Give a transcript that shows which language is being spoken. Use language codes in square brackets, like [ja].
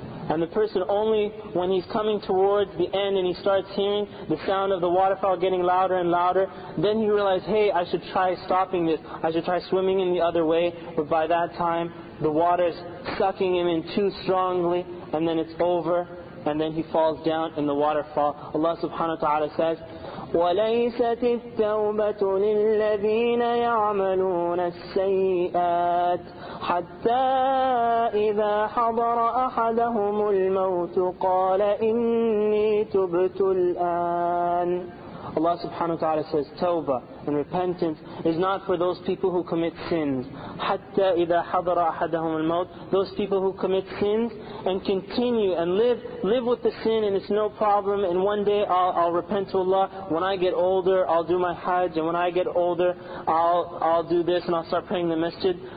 [en] And the person, only when he's coming towards the end and he starts hearing the sound of the waterfall getting louder and louder, then he realizes, hey, I should try stopping this. I should try swimming in the other way. But by that time, the water's sucking him in too strongly, and then it's over, and then he falls down in the waterfall. Allah subhanahu wa ta'ala says, [ar] وَلَيْسَتِ التَّوْبَةُ لِلَّذِينَ يَعْمَلُونَ السَّيِّئَاتِ حَتَّى إِذَا حَضَرَ أَحَدَهُمُ الْمَوْتُ قَالَ إِنِّي تُبْتُ الْآنَ. [en] Allah subhanahu wa ta'ala says, tawbah and repentance is not for those people who commit sins. [ar] حَتَّى إِذَا حَضَرَ أَحَدَهُمُ الْمَوْتُ. [en] Those people who commit sins and continue and live with the sin, and it's no problem, and one day I'll repent to Allah. When I get older, I'll do my hajj, and when I get older, I'll do this, and I'll start praying the masjid.